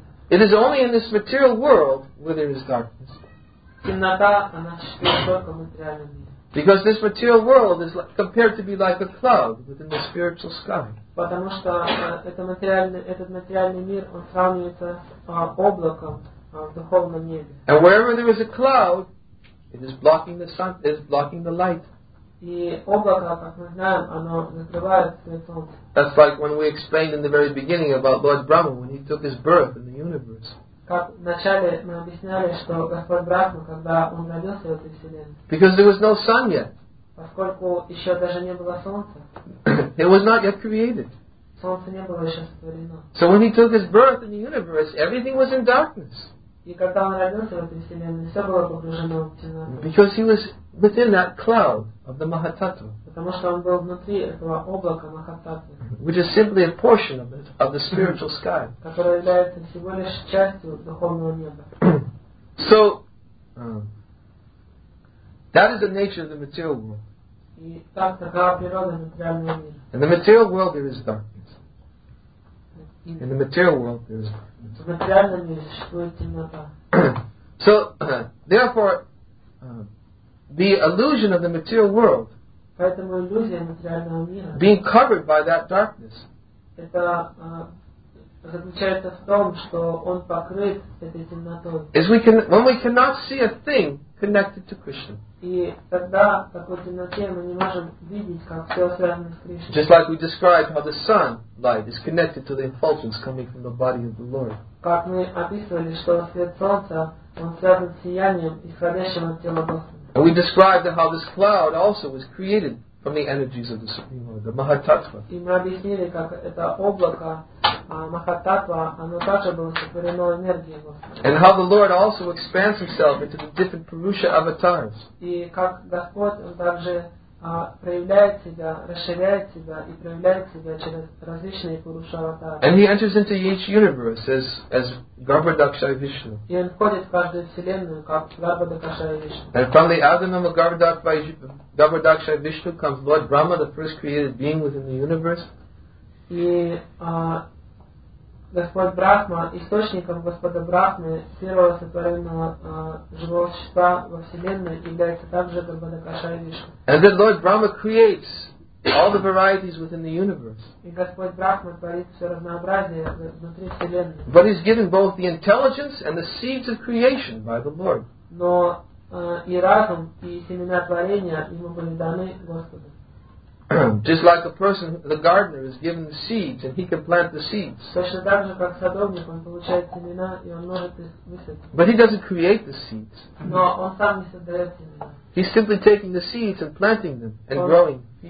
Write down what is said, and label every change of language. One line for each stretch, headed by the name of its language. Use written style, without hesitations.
English: It is only in this material world where there is darkness. Because this material world is compared to be like a cloud within the spiritual sky.
Russian: Потому что этот материальный мир он сравнивается с облаком в духовном небе.
English: And wherever there is a cloud, it is blocking the sun, it is blocking the light.
Russian: И облако, как мы знаем, оно закрывает свет солнца.
English: That's like when we explained in the very beginning about Lord Brahma when he took his birth in the universe.
Russian: Как вначале мы объясняли, что Господь Брахма, когда он родился в этой вселенной.
English: Because there was no sun yet.
Russian: Поскольку еще даже не было солнца.
English: It was not yet created.
Russian: Солнце не было еще сотворено.
English: So when he took his birth in the universe, everything was in darkness.
Russian: И когда он родился в этой вселенной, все было погружено в темноту.
English: Because he was within that cloud of the Mahatattva.
Russian: Потому что он был внутри этого облака Махататвы.
English: Which is simply a portion of it, of the spiritual sky.
Russian: Которая является всего лишь частью духовного неба.
English: So, that is the nature of the material world.
Russian: И так такова природа материального мира.
English: In the material world there is darkness. In the material world there is darkness.
Russian: В материальном мире существует темнота.
English: So, therefore, the illusion of the material world being covered by that darkness is when we cannot see a thing connected to Krishna. Just like we described how the sun light is connected to the effulgence coming from the body of the Lord.
Russian: Как мы описывали, что свет солнца, он связан с сиянием, исходящим от тела Господа.
English: And we described how this cloud also was created from the energies of the Supreme Lord, the Mahatattva.
Russian: И мы объяснили, как это облако Махататва, оно также было сотворено энергией его.
English: And how the Lord also expands himself into the different Purusha avatars.
Russian: И как Господь также проявляет себя, расширяет себя и проявляет себя через различные Пуруша аватары.
English: And he enters into each universe as Garbhadakshay Vishnu.
Russian: И он входит в каждую вселенную как Garbhadakshay Vishnu.
English: And from the Adamam of Garbhadakshay Vishnu comes Lord Brahma, the first created being within the universe.
Russian: И Господь Брахма, источником Господа Брахмы, первого сотворенного живого существа во Вселенной, является также Garbhadakshay Vishnu.
English: And then Lord Brahma creates all the varieties within the universe.
Russian: И Господь Брахма творит все разнообразие внутри Вселенной.
English: But he's given both the intelligence and the seeds of creation by the Lord.
Russian: Но и разум, и семена творения ему были даны Господом.
English: Just like a person, the gardener is given the seeds and he can plant the seeds.
Russian: Точно так же, как садовник, он получает семена и он может их высадить.
English: But he doesn't create the seeds.
Russian: Но он сам не создает семена.
English: He's simply taking the seeds and planting them and growing.